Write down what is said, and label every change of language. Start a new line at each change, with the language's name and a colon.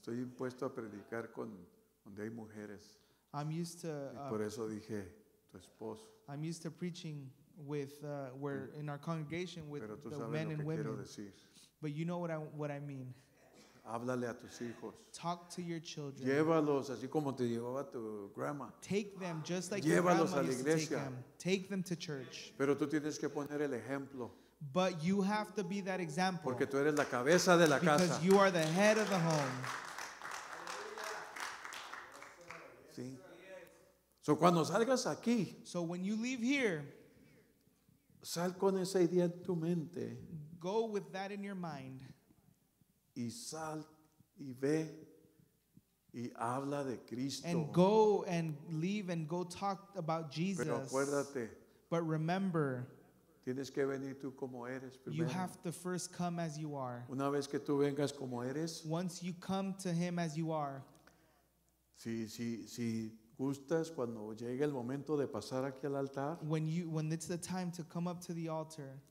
Spanish: Estoy impuesto a predicar con donde hay mujeres.
English: I'm used to.
Spanish: Y por eso dije.
English: I'm used to preaching with where in our congregation with the men and women. But you know what I mean.
Spanish: Háblale a tus hijos.
English: Talk to your children.
Spanish: Llévalos así como te llevaba tu grandma.
English: Take them just like
Spanish: Llévalos
English: your grandma
Spanish: a la iglesia.
English: Used to take them. Take them to church.
Spanish: Pero tú tienes que poner el ejemplo.
English: But you have to be that example.
Spanish: Porque tú eres la cabeza de la
English: because
Spanish: casa.
English: Because you are the head of the home.
Spanish: Sí.
English: So
Spanish: cuando salgas aquí,
English: so when you leave here,
Spanish: sal con esa idea en tu mente.
English: Go with that in your mind.
Spanish: Y sal y ve y habla de Cristo.
English: And go and leave and go talk about Jesus.
Spanish: Pero acuérdate,
English: but remember,
Spanish: tienes que venir tú como eres primero.
English: You have to first come as you are.
Spanish: Una vez que tú vengas como eres,
English: once you come to him as you are,
Spanish: sí. Gustas cuando llegue el momento de pasar aquí al altar.
English: When it's the time to come up to the altar.